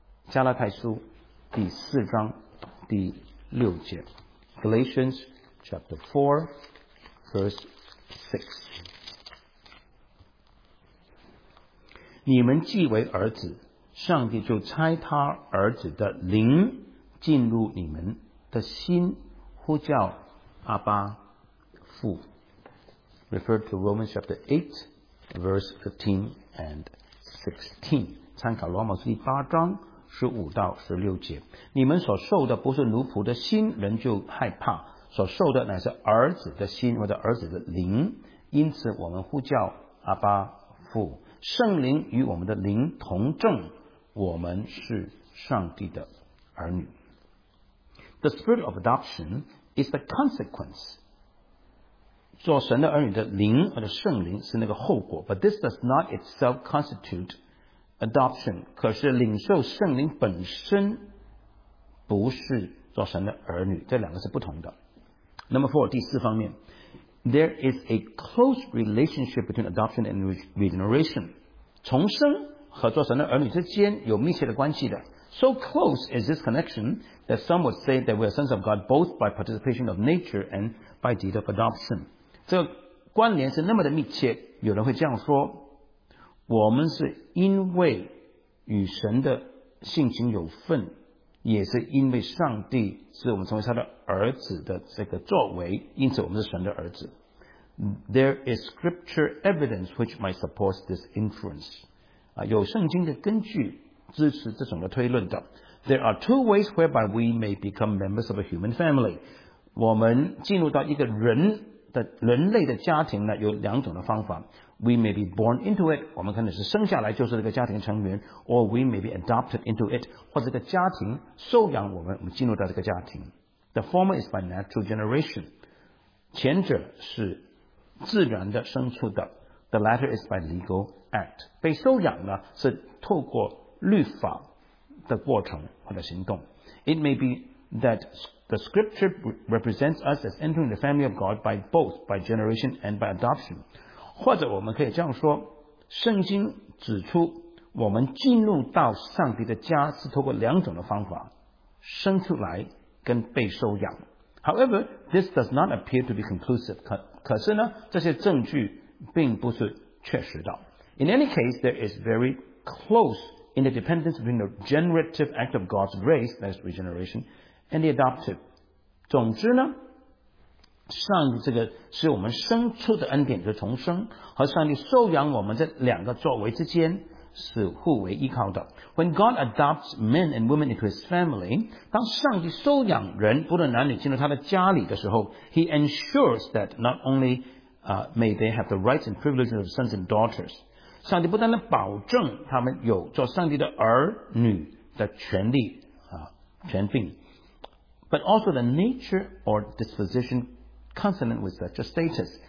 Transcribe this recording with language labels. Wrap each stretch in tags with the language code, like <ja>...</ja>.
<zh>加拉太书第四章第六节 ，</zh> <en>Galatians chapter 4 verse 6。</en> <zh>你们既为儿子，上帝就差他儿子的灵进入你们的心，呼叫阿爸父。</zh> <en>Refer to Romans chapter 8, verse 15 and 16。</en> <zh>参考罗马书第八章十五到十六节，你们所受的不是奴仆的心，人就害怕，所受的乃是儿子的心或者儿子的灵，因此我们呼叫阿爸父，圣灵与我们的灵同证，我们是上帝的儿女。</zh> <en>The spirit of adoption is the consequence.</en> <zh>做神的儿女的灵或者圣灵是那个后果。</zh> <en>But this does not itself constitute adoption.</en> <zh>可是领受圣灵本身不是做神的儿女，这两个是不同的。</zh> <en>Number four,</en> <zh>第四方面，</zh> <en>There is a close relationship between adoption and regeneration.</en> <zh>重生和做神的儿女之间有密切的关系的。</zh> <en>So close is this connection that some would say that we are sons of God both by participation of nature and by deed of adoption.</en> <zh>这个关联是那么的密切，有人会这样说，我们是因为与神的性情有份，也是因为上帝是我们成为他的儿子的这个作为，因此我们是神的儿子。</zh> <en>There is scripture evidence which might support this inference.</en> <zh>有圣经的根据支持这种的推论的。</zh> <en>There are two ways whereby we may become members of a human family.</en> <zh>我们进入到一个人的人类的家庭呢，有两种的方法。</zh> <en>We may be born into it，</en> <zh>我们可能是生下来就是这个家庭成员，</zh> <en>or we may be adopted into it，</en> <zh>或者这个家庭收养我们，我们进入到这个家庭。</zh> <en>The former is by natural generation，</en> <zh>前者是自然的生出的。</zh> <en>The latter is by legal act，</en> <zh>被收养呢是透过律法的过程或者行动。</zh> <en>It may be that the scripture represents us as entering the family of God by both, by generation and by adoption.</en> <zh>或者我们可以这样说，圣经指出我们进入到上帝的家是透过两种的方法，生出来跟被收养。</zh> <en>However, this does not appear to be conclusive.</en> <zh>可是呢，这些证据并不是确实的。</zh> <en>In any case, there is very close interdependence between the generative act of God's grace, that is regeneration, and the adoptive.</en> <zh>总之呢，上帝这个是我们生出的恩典的重生，和上帝收养我们这两个作为之间是互为依靠的。</zh> <en>When God adopts men and women into his family,</en> <zh>当上帝收养人不论男女进入他的家里的时候，</zh> <en>he ensures that not only may they have the rights and privileges of sons and daughters,</en> <zh>上帝不但能保证他们有做上帝的儿女的权利权柄，</zh> <en>But also the nature or disposition consonant with such a status.</en>